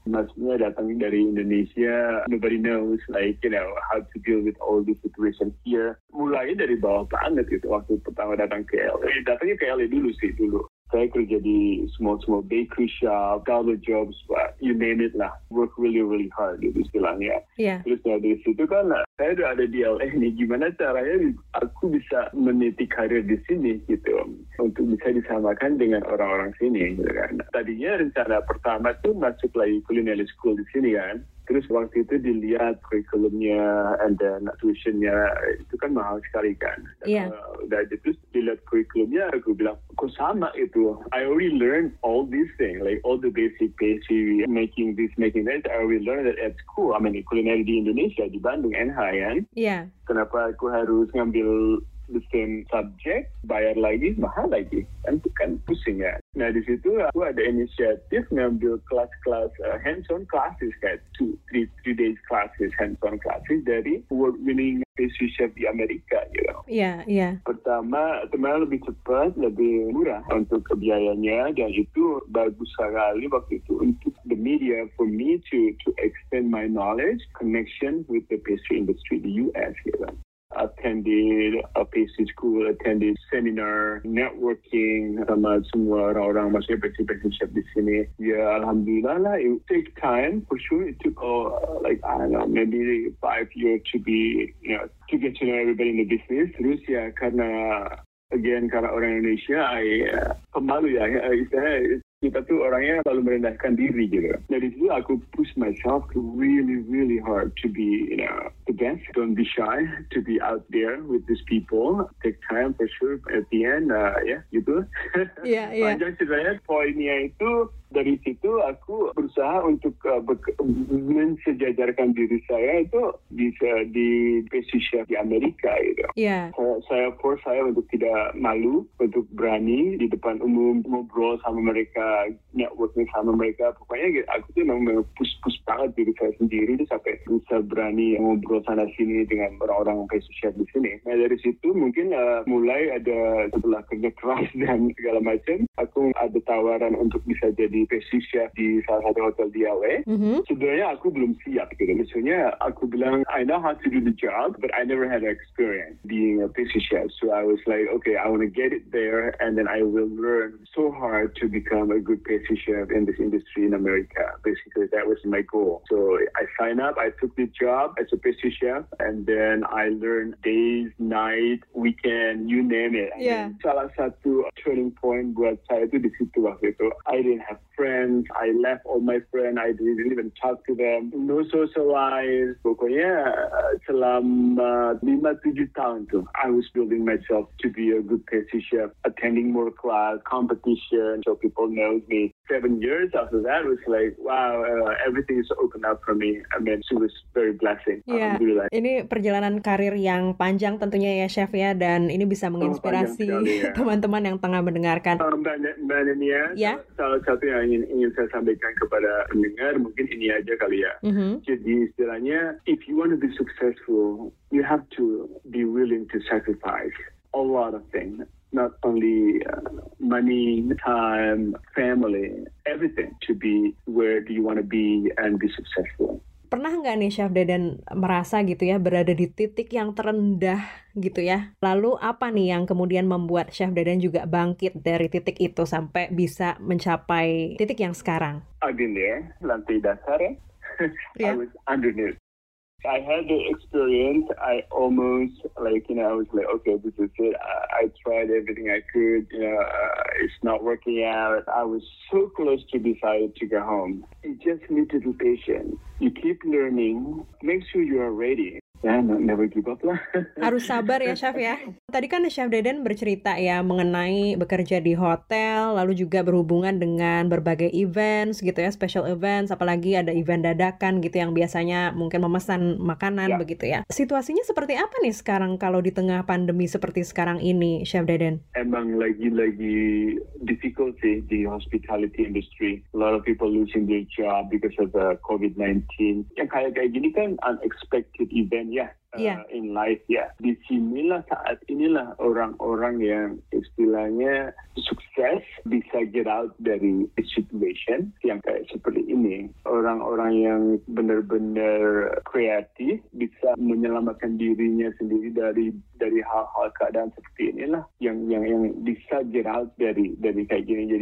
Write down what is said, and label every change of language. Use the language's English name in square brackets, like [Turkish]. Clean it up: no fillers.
[Indonesian] Maksudnya datang dari Indonesia, [English] nobody knows like you know how to deal with all the situation here. [Indonesian] Mulai dari bawah banget gitu waktu pertama datang ke LA. Datangnya ke LA dulu sih dulu. Saya kerja di [English] small-small bakery shop, garlic jobs, you name it [Indonesian] lah. [English] Work really, really hard, [Indonesian] gitu istilahnya. [English] Yeah. [Indonesian] Terus ya, dari situ kan, saya udah ada di LA nih. Gimana caranya aku bisa meniti karir di sini, gitu. Untuk bisa disamakan dengan orang-orang sini, gitu kan. Tadinya rencana pertama tuh masuk lagi culinary school di sini, kan. Terus waktu itu dilihat curriculumnya [English] and then [Indonesian] tuition-nya, itu kan mahal sekali kan. [English] Yeah. [Indonesian] Dan terus dilihat curriculumnya, aku bilang, kok sama itu? [English] I already learned all these things, like all the basic, making this, making that. I already learned it at school. I mean, [Indonesian] culinary di Indonesia, di Bandung, NH, kan? [English] Yeah. [Indonesian] Kenapa aku harus ngambil [English] the same subject, [Indonesian] bayar lagi, mahal lagi. Dan itu kan pusing ya. Nah, di situ aku ada inisiatif ngambil kelas-kelas, [English] hands-on classes, [Indonesian] kayak 2-3 days classes, hands-on classes dari award-winning pastry chef di Amerika, [English] you know. [Indonesian] Iya. Pertama, teman-teman lebih cepat, lebih murah untuk kebiayanya, dan itu bagus sekali waktu itu untuk [English] the media for me to extend my knowledge, connection with the pastry industry, the US, you know. Attended a pastry school, attended seminar, networking [Indonesian] sama semua orang-orang maksudnya pastry chef di sini. Ya, alhamdulillah lah, [English] it take time for sure. It took like, I don't know, maybe 5 years to be, you know, to get to know everybody in the business. [Indonesian] Terus ya, karena, again, karena orang Indonesia, pemalu ya, kita tuh orangnya selalu merendahkan diri gitu. Dari situ aku [English] push myself really, really hard to be, you know, the best. Don't be shy to be out there with these people. Take time for sure. At the end, gitu. Yeah. [Indonesian] Panjang ceritanya, poinnya itu, dari situ aku berusaha untuk mensejajarkan diri saya itu bisa di pastry chef di Amerika gitu. [English] Yeah. [Indonesian] Saya force saya untuk tidak malu, untuk berani di depan umum, ngobrol sama mereka, networking sama mereka. Pokoknya gitu, aku tuh memang push banget diri saya sendiri tuh sampai bisa berani ngobrol sana-sini dengan orang-orang pastry chef di sini. Nah, dari situ mungkin mulai ada setelah kerja keras dan segala macam, aku ada tawaran untuk bisa jadi pastry chef di salah satu hotel di LA. Mm-hmm. Sebenarnya aku belum siap gitu. Maksudnya aku bilang, [English] I know how to do the job, but I never had experience being a pastry chef. So I was like, okay, I want to get it there and then I will learn so hard to become a good pastry chef in this industry in America. Basically, that was my goal. So I signed up, I took the job as a pastry chef and then I learned days, night, weekend, you name it. Yeah. [Indonesian] Salah satu turning point buat saya itu di situ waktu itu. [English] I didn't have friends. I left all my friends. I didn't even talk to them. No socialize. [Indonesian] Pokoknya selama 5-7 tahun tuh, [English] I was building myself to be a good pastry chef, attending more class, competition, so people know me. 7 years after that was like, wow, everything is open up for me. I mean, it was very blessing. Yeah. [Indonesian] Ini perjalanan karir yang panjang tentunya ya, Chef ya, dan ini bisa menginspirasi teman-teman yang tengah mendengarkan. Mbak Nenia, salah satu yang ingin saya sampaikan kepada pendengar mungkin ini aja kali ya. Mm-hmm. Jadi istilahnya, [English] if you want to be successful, you have to be willing to sacrifice a lot of things, not only money, time, family, everything to be where do you want to be and be successful. [Indonesian] Pernah nggak nih Chef Deden merasa gitu ya berada di titik yang terendah gitu ya? Lalu apa nih yang kemudian membuat Chef Deden juga bangkit dari titik itu sampai bisa mencapai titik yang sekarang? [English] I've been there, [Indonesian] lantai dasar ya. [English] Yeah. I was underneath. I had the experience, I almost, like, you know, I was like, okay, this is it. I tried everything I could, you know, it's not working out. I was so close to decide to go home. You just need to be patient. You keep learning, make sure you are ready. Yeah, never give up lah. [Indonesian] Harus sabar ya, Chef ya. Tadi kan Chef Deden bercerita ya mengenai bekerja di hotel, lalu juga berhubungan dengan berbagai events gitu ya, special events, apalagi ada event dadakan gitu yang biasanya mungkin memesan makanan begitu ya. Situasinya seperti apa nih sekarang kalau di tengah pandemi seperti sekarang ini, Chef Deden? Emang lagi-lagi difficult sih di hospitality industry. [English] A lot of people losing their job because of the COVID-19. [Indonesian] Yang kayak gini kan unexpected event ya. [English] in life ya. [Indonesian] Di sinilah saat inilah orang-orang yang istilahnya sukses bisa [English] get out [Indonesian] dari situation yang kayak seperti ini. Orang-orang yang benar-benar kreatif bisa menyelamatkan dirinya sendiri dari hal-hal keadaan seperti inilah yang bisa [English] get out [Indonesian] dari kayak gini.